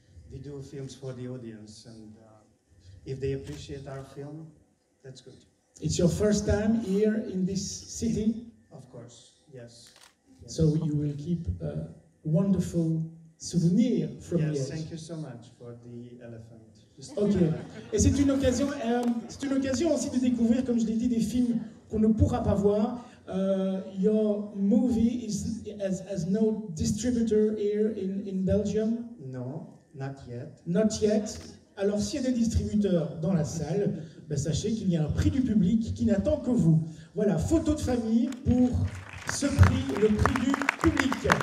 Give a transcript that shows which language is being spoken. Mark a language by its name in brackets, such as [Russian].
[English] We do films for the audience, and if they appreciate our film, that's good. It's your first time here in this city? Of course, yes. So you will keep a wonderful souvenir from yes, Yes, thank you so much for the elephant. Okay. [French] Et c'est une occasion aussi de découvrir, comme je l'ai dit, des films qu'on ne pourra pas voir. [English] Your movie has no distributor here in Belgium? No. Not yet. Not yet. [French] Alors, s'il y a des distributeurs dans la salle, ben, sachez qu'il y a un prix du public qui n'attend que vous. Voilà, photo de famille pour ce prix, le prix du public.